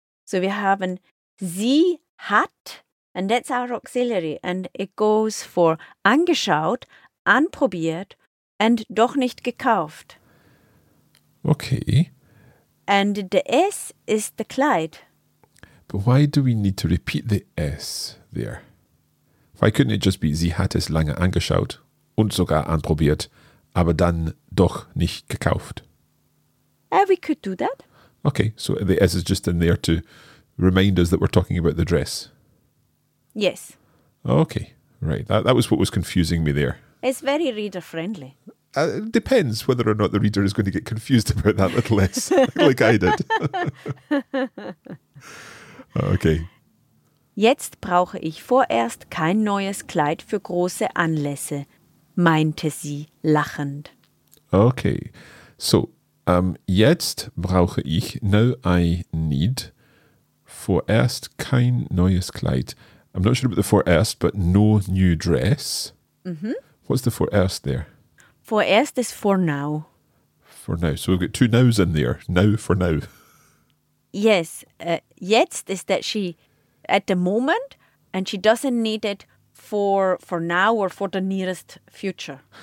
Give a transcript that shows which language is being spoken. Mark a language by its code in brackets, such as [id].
[en] So we have an sie hat, and that's our auxiliary. And it goes for angeschaut, anprobiert, and [de] doch nicht gekauft. [en] Okay. And the es is the Kleid. But why do we need to repeat the es there? Why couldn't it just be, [de] sie hat es lange angeschaut und sogar anprobiert, aber dann doch nicht gekauft? [en] We could do that. Okay, so the S is just in there to remind us that we're talking about the dress. Yes. Okay, right. That was what was confusing me there. It's very reader-friendly. It depends whether or not the reader is going to get confused about that little S, like I did. Okay. [de] Jetzt brauche ich vorerst kein neues Kleid für große Anlässe, meinte sie lachend. [en] Okay. So, [de] jetzt brauche ich, [en] now I need, [de] vorerst kein neues Kleid. [en] I'm not sure about the vorerst, but no new dress. Mm-hmm. What's the vorerst there? Vorerst is for now. For now. So we've got two nows in there. Now, for now. Yes. Jetzt is that she, at the moment, and she doesn't need it for now or for the nearest future.